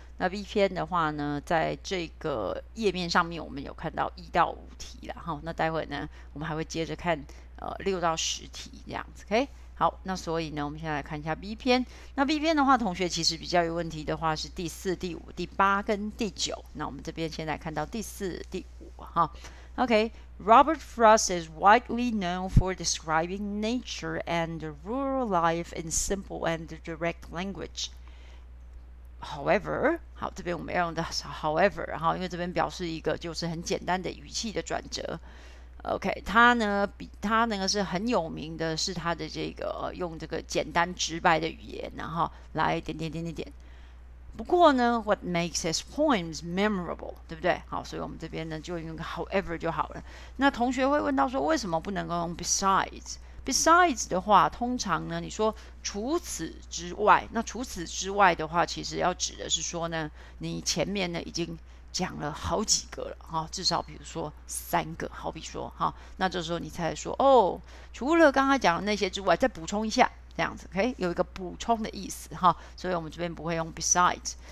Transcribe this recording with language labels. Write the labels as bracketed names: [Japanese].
[Chinese] 那 V 篇的话呢，在这个页面上面，我们有看到一到五题了，哈。那待会呢，我们还会接着看6到10题这样子，OK。好，那所以呢，我们现在来看一下 B 篇。那 B 篇的话，同学其实比较有问题的话是第四、第五、第八跟第九。那我们这边先来看到第四、第五哈。 [English] OK，Robert Frost is widely known for describing nature and rural life in simple and direct language. [Chinese] However，好，这边我们要用的是 however，然后因为这边表示一个就是很简单的语气的转折。 OK，他呢是很有名的，是他的这个用这个简单直白的语言，然后来点点点点点。不过呢， [English] what makes his poems memorable， [Chinese] 对不对？好，所以我们这边呢就用 however 就好了。那同学会问到说，为什么不能够用 besides？besides 的话，通常呢你说除此之外，那除此之外的话，其实要指的是说呢，你前面呢已经讲了好几个了哈，至少比如说三个，好比说哈，那这时候你才说哦，除了刚才讲的那些之外，再补充一下这样子，OK，有一个补充的意思哈，所以我们这边不会用 besides。